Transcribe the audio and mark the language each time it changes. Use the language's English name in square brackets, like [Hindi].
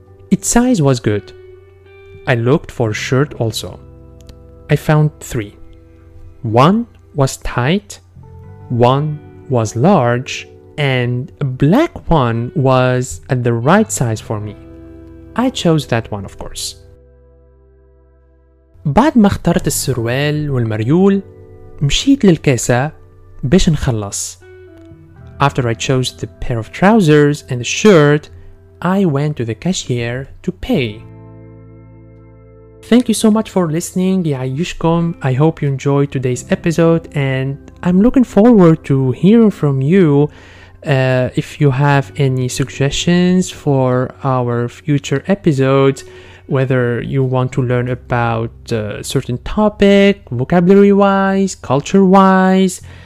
[English] Its size was good. I looked for a shirt also. I found three. One was tight, one was large, and a black one was at the right size for me. I chose that one, of course. [Arabic] بعد ما اخترت السروال والمريول مشيت للكاسة باش نخلص. [English] After I chose the pair of trousers and the shirt, I went to the cashier to pay. Thank you so much for listening, [Arabic] يعيشكم. [English] I hope you enjoyed today's episode, and I'm looking forward to hearing from you if you have any suggestions for our future episodes, whether you want to learn about a certain topic, vocabulary-wise, culture-wise.